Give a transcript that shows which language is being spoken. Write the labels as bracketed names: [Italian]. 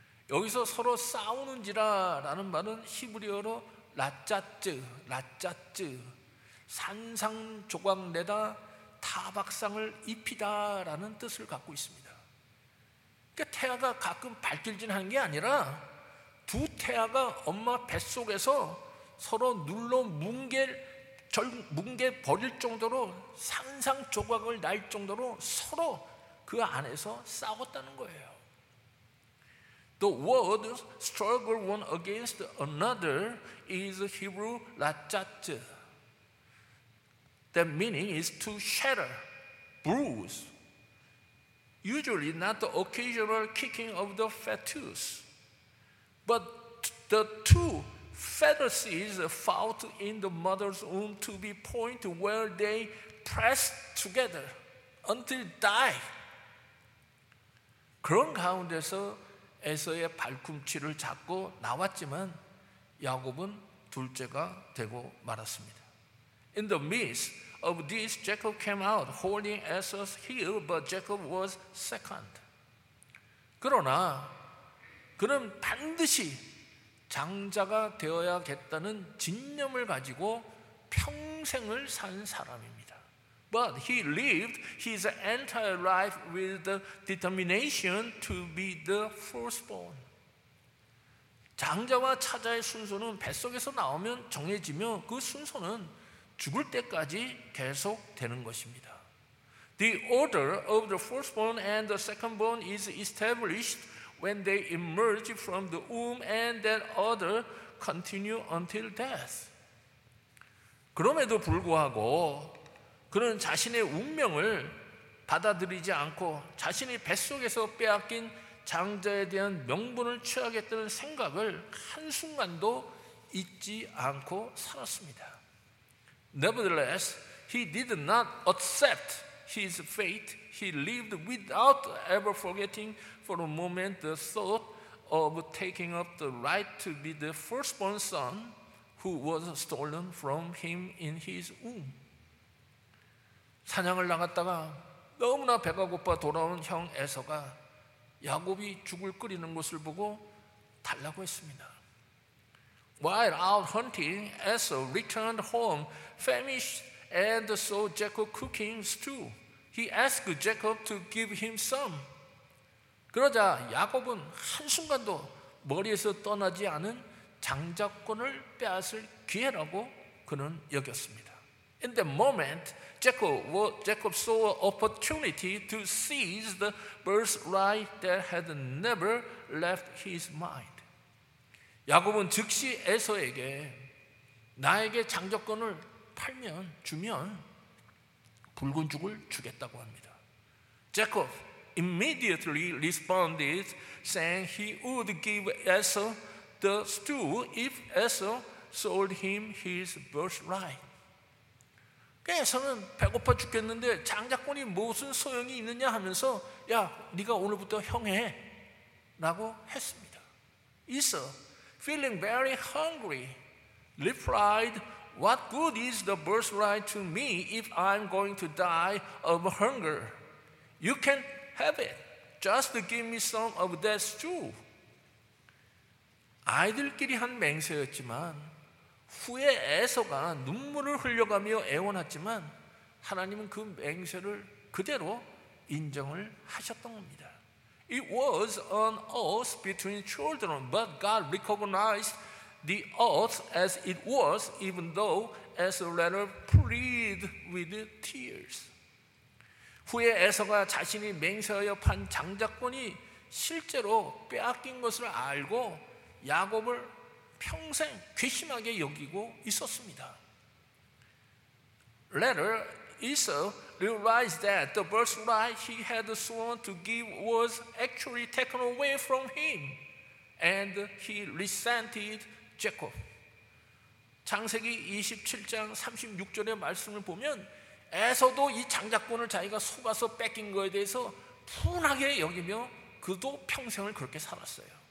[Korean] 여기서 서로 싸우는지라 라는 말은 히브리어로 라짜쯔, 산상조각 내다 타박상을 입히다 라는 뜻을 갖고 있습니다. 그러니까 태아가 가끔 발길질하는 게 아니라 두 태아가 엄마 뱃속에서 서로 눌러 뭉개 버릴 정도로 산상 조각을 날 정도로 서로 그 안에서 싸웠다는 거예요. [English] The word struggle one against another is Hebrew latzat. That meaning is to shatter, bruise. Usually not the occasional kicking of the fetus. But the two fetuses fought in the mother's womb to be point where they pressed together until die. [Korean] 그런 가운데서 에서의 발꿈치를 잡고 나왔지만 야곱은 둘째가 되고 말았습니다. [English] In the midst of this, Jacob came out holding Esau's heel, but Jacob was second. [Korean] 그러나 그는 반드시 장자가 되어야겠다는 진념을 가지고 평생을 산 사람입니다. [English] But he lived his entire life with the determination to be the firstborn. [Korean] 장자와 차자의 순서는 뱃속에서 나오면 정해지며 그 순서는 죽을 때까지 계속되는 것입니다. [English] The order of the firstborn and the secondborn is established when they emerge from the womb and that order continue until death. [Korean] 그럼에도 불구하고 그는 자신의 운명을 받아들이지 않고 자신이 뱃속에서 빼앗긴 장자에 대한 명분을 취하겠다는 생각을 한순간도 잊지 않고 살았습니다. [English] Nevertheless, he did not accept his fate. He lived without ever forgetting for a moment the thought of taking up the right to be the firstborn son who was stolen from him in his womb. [Korean] 사냥을 나갔다가 너무나 배가 고파 돌아온 형 에서가 야곱이 죽을 끓이는 것을 보고 달라고 했습니다. [English] While out hunting, Esau returned home famished and saw Jacob cooking stew. He asked Jacob to give him some. [Korean] 그러자 야곱은 한순간도 머리에서 떠나지 않은 장자권을 빼앗을 기회라고 그는 여겼습니다. [English] In the moment, Jacob saw an opportunity to seize the birthright that had never left his mind. [Korean] 야곱은 즉시 에서에게 나에게 장자권을 주면 붉은 죽을 주겠다고 합니다. [English] Jacob immediately responded, saying he would give Esau the stew if Esau sold him his birthright. [Korean] 에서는 배고파 죽겠는데 장자권이 무슨 소용이 있느냐 하면서 야, 네가 오늘부터 형해 라고 했습니다. [English] Esau, feeling very hungry, replied, What good is the birthright to me if I'm going to die of hunger? You can have it. Just give me some of that stew. [Korean] 아이들끼리 한 맹세였지만 후에 에서가 눈물을 흘려가며 애원했지만 하나님은 그 맹세를 그대로 인정을 하셨던 겁니다. [English] It was an oath between children, but God recognized the oath as it was, even though Esau rather pleaded with tears. [Korean] 후에 에서가 자신이 맹세하여 판 장자권이 실제로 빼앗긴 것을 알고 야곱을 평생 괘씸하게 여기고 있었습니다. [English] Later, Esau realized that the birthright he had sworn to give was actually taken away from him, and he resented Jacob. [Korean] 창세기 27장 36절의 말씀을 보면 에서도 이 장자권을 자기가 속아서 뺏긴 것에 대해서 분하게 여기며 그도 평생을 그렇게 살았어요.